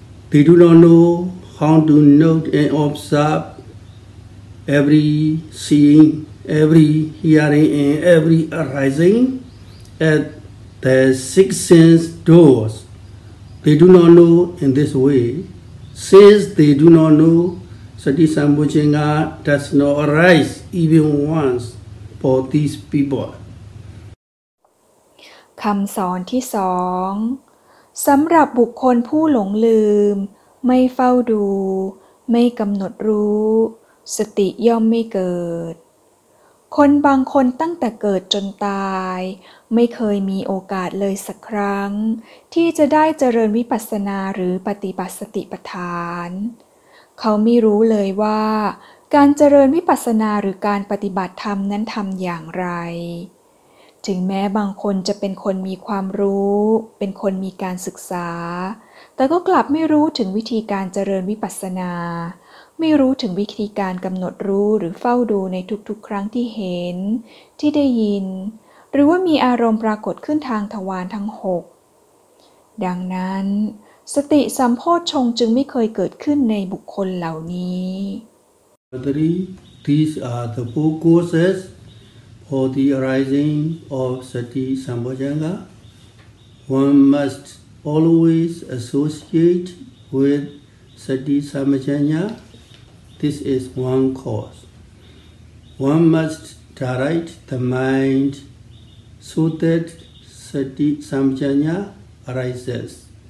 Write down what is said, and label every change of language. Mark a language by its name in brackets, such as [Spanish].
[English] They do not know how to note and observe every seeing, every hearing, and every arising at the six sense doors. They do not know in this way. Since they do not know, Satisambhujanga does not arise even once for these people. [Thai] คำสอนที่สองสำหรับบุคคลผู้หลงลืมไม่เฝ้าดูไม่กำหนดรู้สติย่อมไม่เกิดคนบางคนตั้งแต่เกิดจนตายไม่เคยมีโอกาสเลยสักครั้งที่จะได้เจริญวิปัสสนาหรือปฏิบัติสติปัฏฐานเขาไม่รู้เลยว่าการเจริญวิปัสสนาหรือการปฏิบัติธรรมนั้นทำอย่างไร ถึงแม้บางคนจะเป็นคนมีความรู้เป็นคนมีการศึกษาแต่ก็กลับไม่รู้ถึงวิธีการเจริญวิปัสสนาไม่รู้ถึงวิธีการกำหนดรู้หรือเฝ้าดูในทุกๆครั้งที่เห็นที่ได้ยินหรือว่ามีอารมณ์ปรากฏขึ้นทางทวารทั้ง6ดังนั้นสติสัมโพชฌงค์จึงไม่เคยเกิดขึ้นในบุคคลเหล่านี้ [English] These are the four causes for the arising of sati sampajanga. One must always associate with sati sampajanga. This is one cause. One must direct the mind so that sati sampajanga arises.